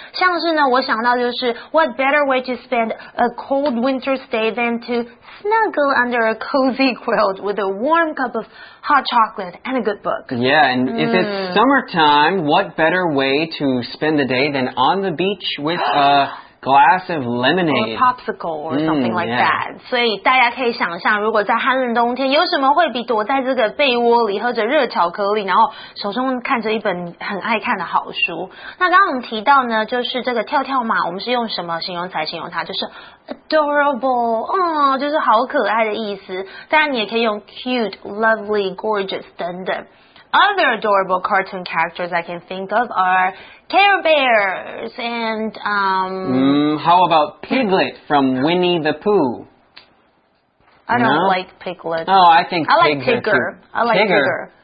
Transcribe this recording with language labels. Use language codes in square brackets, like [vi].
[zh] 像是呢，我想到就是 [en] what better way to spend a cold winter's day than to snuggle under a cozy quilt with a warm cup of hot chocolate and a good book. Yeah, and if it's summertime, what better way to spend the day than on the beach with a... glass of lemonade. Or popsicle or something like that. [zh] 所以大家可以想象如果在寒冷冬天有什么会比躲在这个被窝里喝着热巧克力然后手中看着一本很爱看的好书。那刚刚我们提到呢就是这个跳跳马我们是用什么形容词形容它就是 adorable, 就是好可爱的意思。当然你也可以用 [en] cute, lovely, gorgeous [zh] 等等。 [en] Other adorable cartoon characters I can think of are Care Bears and... How about Piglet from Winnie the Pooh? I don't like Piglet. Oh, I think I like Tigger. I like Tigger.